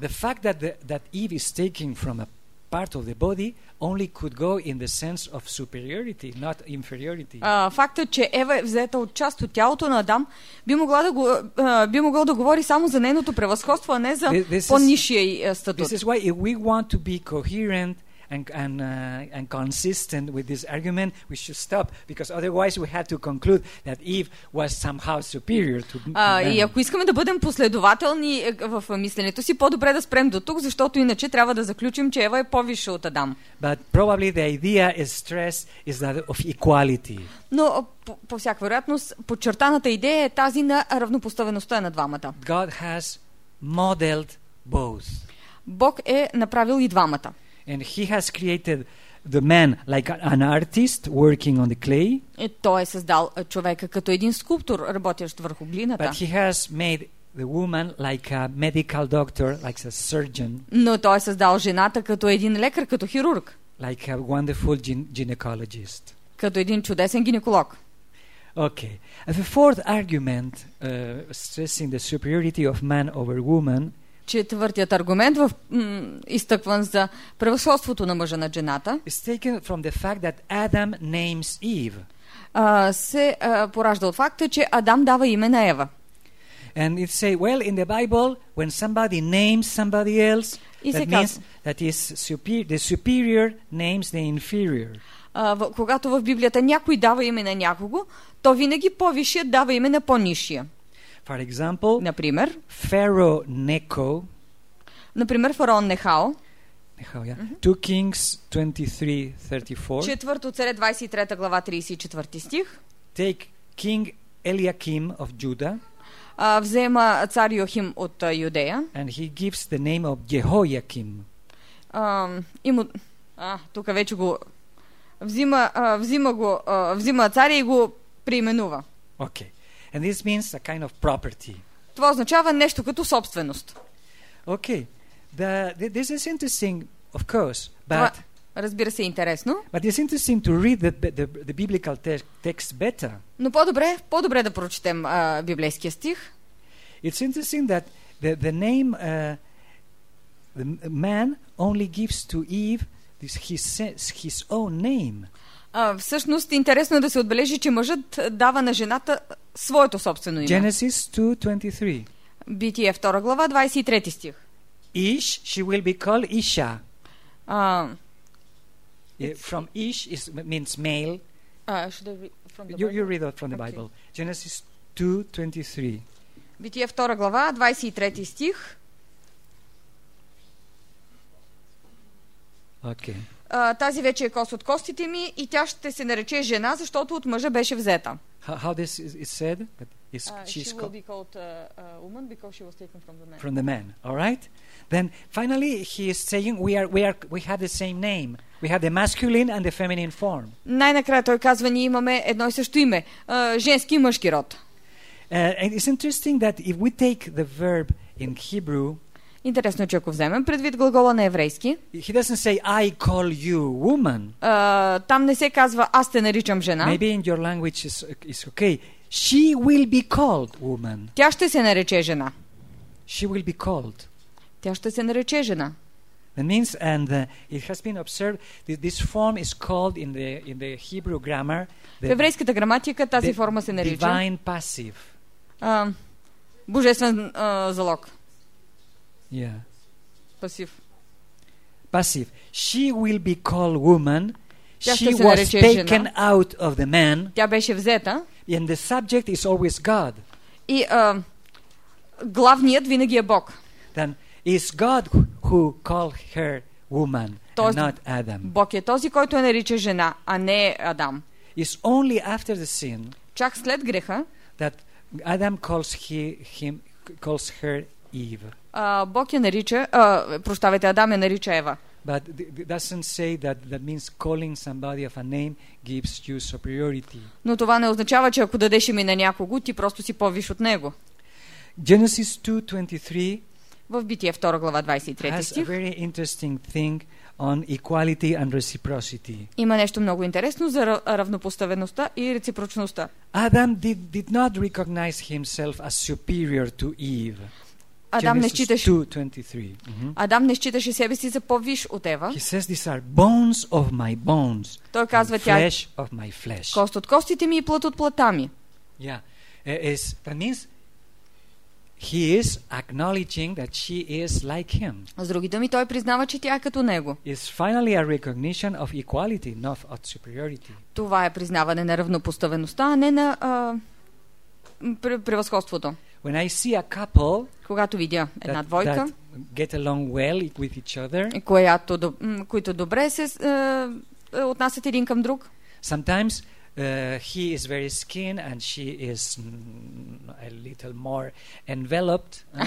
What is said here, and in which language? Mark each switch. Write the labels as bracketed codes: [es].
[en] The fact that that Eve is taken from a part of the body only could go in the sense of superiority, not inferiority. [bg] Фактът, че Ева е взета от част от тялото на Адам, би могъл да говори само за нейното превъзходство, а не за по-нишия статут. [en] This is why if we want to be coherent and consistent with this argument, we should stop, because otherwise we have to conclude that Eve was somehow superior to man. [bg] И ако искаме да бъдем последователни в мисленето си, по-добре да спрем до тук, защото иначе трябва да заключим, че Ева е повише от Адам. [en] But probably the idea is stressed is that of equality. [bg] Но по всяка вероятност, подчертаната идея е тази на равнопоставеността на двамата. [en] God has modeled both. [bg] Бог е направил и двамата. [en] And he has created the man like an artist working on the clay. [bg] И той е създал човека като един скулптор, работещ върху глината. [en] But he has made the woman like a medical doctor, like a surgeon. [bg] Но той е създал жената като един лекар, като хирург. [en] Like a wonderful gynecologist. [bg] Като един чудесен гинеколог. [en] Okay. And the fourth argument stressing the superiority of man over woman. [bg] Четвъртият аргумент изтъкван за превъзходството на мъжа над жената. [en] Is taken from the fact that Adam names Eve. [bg] Поражда от факта, че Адам дава име на Ева. [en] And it say, well, in the Bible, when somebody names somebody else, that means that is the superior names the inferior. [bg] Когато в Библията някой дава име на някого, то винаги повишият дава име на по-нишия. [en] For example, [bg] например, [en] Pharaoh Necho. [bg] Например, фараон Нехао. [en] Нехао, yeah. Mm-hmm. 2 Kings 23:34. [bg] Четвърто царе 23 глава 34 стих. [en] Take King Eliakim of Judah. [bg] Взема цар Йохим от Юдея. [en] And he gives the name of Jehoiakim. [bg] Тук вече го взима царя и го преименува. [en] Okay. And this means a kind of property. [bg] Това означава нещо като собственост. [en] Okay. This is interesting, of course, but [bg] това, разбира се, интересно. [en] But it's interesting to read the biblical text better. [bg] Но по-добре да прочетем библейския стих. [en] It's interesting that the name the man only gives to Eve his own name. [bg] Всъщност интересно да се отбележи, че мъжът дава на жената своето собствено име. [en] Genesis 2:23. [bg] Битие 2 глава 23 стих. [en] Ish, she will be called Isha. From Ish means male, You read that from the Bible. Genesis 2:23. [bg] Битие 2 глава, 23 стих. [en] Okay. [bg] Тази вече е кост от костите ми и тя ще се нарече жена, защото от мъжа беше взета. [en] How this is said? That is, she's she will be called a woman because she was taken from the man. From the man. All right? Then finally he is saying we have the same name. We have the masculine and the feminine form. [bg] Най-накрая той казва, ние имаме едно и също име, женски и мъжки род. [en] And it's interesting that if we take the verb in Hebrew, [bg] интересно, че ако вземем предвид глагола на еврейски, [en] he doesn't say, I call you woman. [bg] Там не се казва, аз те наричам жена. [en] Maybe in your language is okay. She will be called woman. [bg] Тя ще се нарече жена. [en] She will be called. [bg] Тя ще се нарече жена. [en] That means, and it has been observed that this form is called in the Hebrew grammar. [bg] В еврейската граматика тази форма се нарича [en] divine passive. [bg] Божествен залог. [en] Yeah. Passive. She will be called woman. She was taken out of the man. [bg] Тя беше взета. [en] And the subject is always God. [bg] И главният винаги е Бог. [en] Then is God who called her woman, and not Adam. [bg] Бог е този, който я нарича жена, а не Адам. [en] It's only after the sin, [bg] чак след греха, [en] that Adam calls her Eve. [bg] Бог я нарича, прощавайте, Адам я нарича Ева. [en] But it doesn't say that that means calling somebody of a name gives you superiority. [bg] Но това не означава, че ако дадеш име на някого, ти просто си по-виш от него. [en] Genesis 2:23. [bg] В Битие 2 глава 23 стих. [en] Has a very interesting thing on equality and reciprocity. [bg] Има нещо много интересно за равнопоставеността и реципрочността. [en] Adam did not recognize himself as superior to Eve. [bg] Адам не считаше 2:23. Mm-hmm. Адам не считаше себе си за по-виш от Ева. [en] He says these are bones of my bones. [bg] Той казва, тя [en] flesh of my flesh. [bg] Кост от костите ми и плът от плътта ми. [en] Yeah. That means he is acknowledging that she is like him. [bg] С други думи, той признава, че тя е като него. [en] It's finally a recognition of equality, not of superiority. [bg] Това е признаване на равнопоставеността, а не на превъзходството. [en] When I see a couple, [bg] когато видя една двойка, [en] that get along well with each other, [bg] които добре се отнасят един към друг, [en] sometimes he is very skin and she is a little more enveloped.